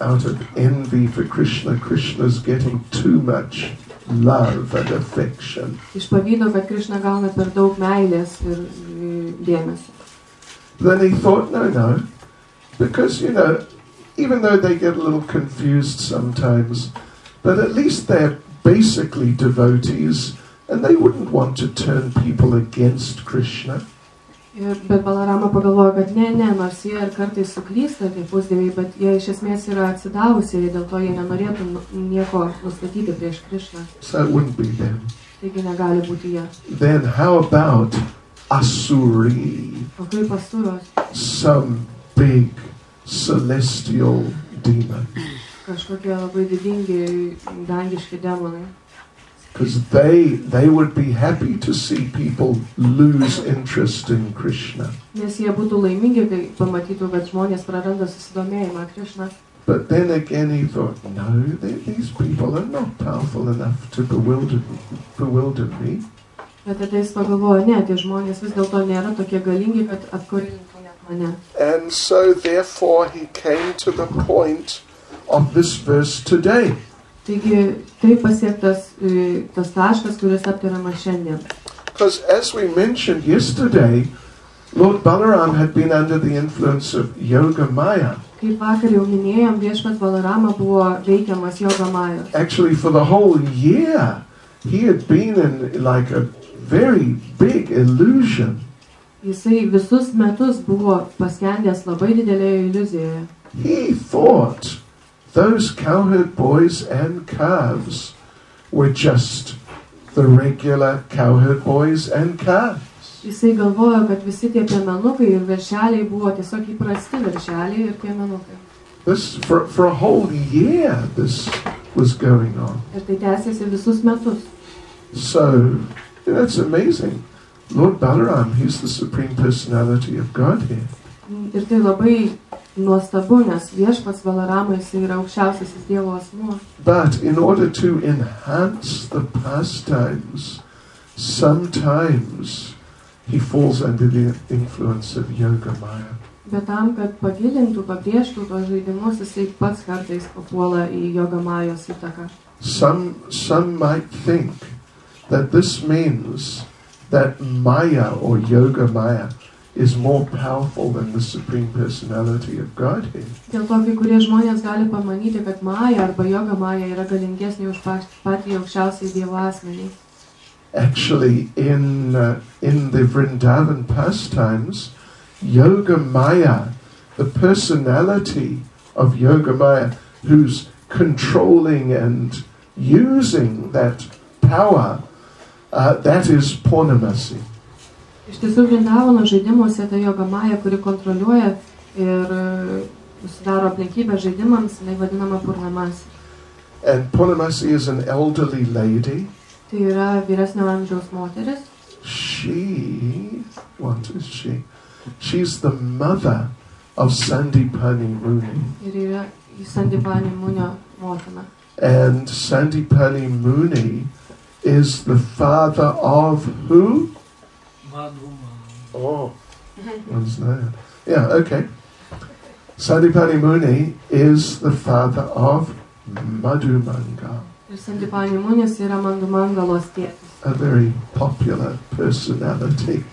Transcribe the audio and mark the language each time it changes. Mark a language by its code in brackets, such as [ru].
[en] Out of envy for Krishna, Krishna's getting too much love and affection. [lt] Iš pavydo, kad Krishna gauna per daug meilės ir dėmesio. [en] Then he thought, no, no, because, you know, even though they get a little confused sometimes, but at least they're basically devotees, and they wouldn't want to turn people against Krishna. [lt] Ir, bet Balarama pagalvojo, kad ne, ne, nors jie ir kartais suklysta, tai pusdieviai, bet jie iš esmės yra atsidavusiai, dėl to jie nenorėtų nieko nustatyti prieš Krishna. [en] So it wouldn't be them. [lt] Taigi negali būti jie. [en] Then how about Asuri? [lt] O kaip Asuros? [en] Some big celestial demon. [lt] Kažkokie labai didingi, dangiški demonai. [en] Because they would be happy to see people lose interest in Krishna. [lt] Nes jie būtų laimingi, kai pamatytų, kad žmonės praranda susidomėjimą Krishna. [en] But then again he thought, no, these people are not powerful enough to bewilder me. [lt] Bet tada jis pagalvojo, ne, tie žmonės vis dėlto nėra tokie galingi, kad atkurintų net mane. [en] And so therefore he came to the point of this verse today. [lt] Taigi, tai pasiektas tas taškas, kuris aptariamas šiandien. [en] Because as we mentioned yesterday, Lord Balaram had been under the influence of Yoga Maya. [lt] Kaip vakar jau minėjom, viešpat Balarama buvo veikiamas Yoga Maya. [en] Actually, for the whole year, he had been in like a very big illusion. [lt] Jisai visus metus buvo paskendęs labai didelėje iliuzijoje. [en] He thought those cowherd boys and calves were just the regular cowherd boys and calves. [lt] Jisai galvojo, kad visi tie piemenukai ir veršeliai buvo tiesiog įprasti veršeliai ir piemenukai. [en] This for a whole year this was going on. [lt] Ir tai tęsėsi visus metus. [en] So that's amazing. Lord Balaram, he's the supreme personality of Godhead. [lt] Ir tai labai nuostabu, nes viešpas Balarama yra aukščiausiasis Dievo asmuo. [en] But in order to enhance the pastimes, Sometimes he falls under the influence of yoga maya. [lt] Bet tam, kad pagilintų, pabrėžtų tos žaidimus, jisai pats kartais papuola į yoga majos įtaką. [en] Some might think that this means that maya or yoga maya is more powerful than the supreme personality of Godhead. [lt] Dėl to, kai kurie žmonės gali pamanyti, kad maya arba yoga maya yra galingesnė už patį aukščiausiai dievo asmenį. [en] Actually, in the Vrindavan pastimes, yoga maya, the personality of yoga maya, who's controlling and using that power, that is Purnamasi. [lt] Iš tiesų, Vrindavano žaidimuose ta yoga maya, kuri kontroliuoja ir sudaro aplinkybę žaidimams, tai vadinama Purnamasi. [en] And Purnamasi is an elderly lady. [lt] Tai yra vyresnio amžiaus moteris. [en] She, what is she? She's the mother of Sandipani Muni. [lt] Ir yra Sandipani Munio motina. [en] And Sandipani Muni is the father of who? Madhuma. Oh, what's that? Yeah, okay. Sandipani Muni is the father of Madhumanga. [lt] Sandipani Munis yra Madhumangalos tėtis. [en] A very popular personality.